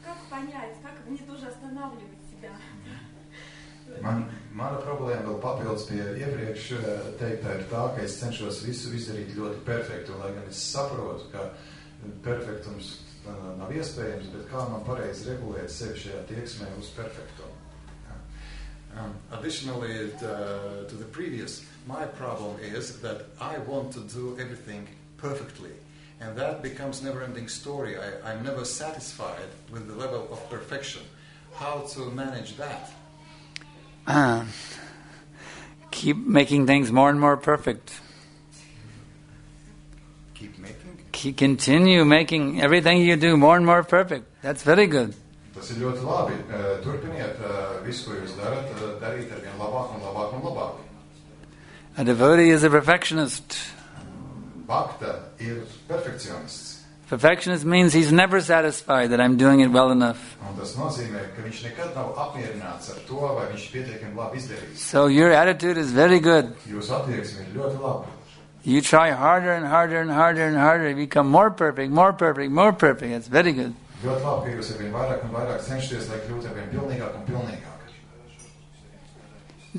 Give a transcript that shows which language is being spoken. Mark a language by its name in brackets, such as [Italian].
[Russian] Понять, как мне тоже останавливать себя. [Latvian] Mana problēma vēl papildus pie iepriekš teiktā ir tā, ka es cenšos visu izdarīt ļoti perfektu, lai gan es saprotu, ka perfektums nav iespējams, bet kā man pareizi regulēt sevi šajā tieksmē uz perfektu. [English] Additionally to the previous, my problem is that I want to do everything perfectly. And that becomes never-ending story. I'm never satisfied with the level of perfection. How to manage that? Keep making things more and more perfect. Keep making? Continue making everything you do more and more perfect. That's very good. [Latvian] Tas ir ļoti labi. Turpiniet visu, ko jūs darat, darīt arvien labāk un labāk un labāk. [English] A devotee is a perfectionist. [Latvian] Bhakta ir perfekcionists. [English] Perfectionist means he's never satisfied that I'm doing it well enough. [Latvian] Un tas nozīmē, ka viņš nekad nav apmierināts ar to, vai viņš pietiekami labi izdarījis. [English] So your attitude is very good. [Latvian] Jūs attieksmi ir ļoti labi. [English] You try harder and harder and harder and harder, you become more perfect, more perfect, more perfect. It's very good. [Latvian] Ļoti labi, jūs arvien vairāk un vairāk cenšaties, lai kļūtu arvien pilnīgāk un pilnīgāk.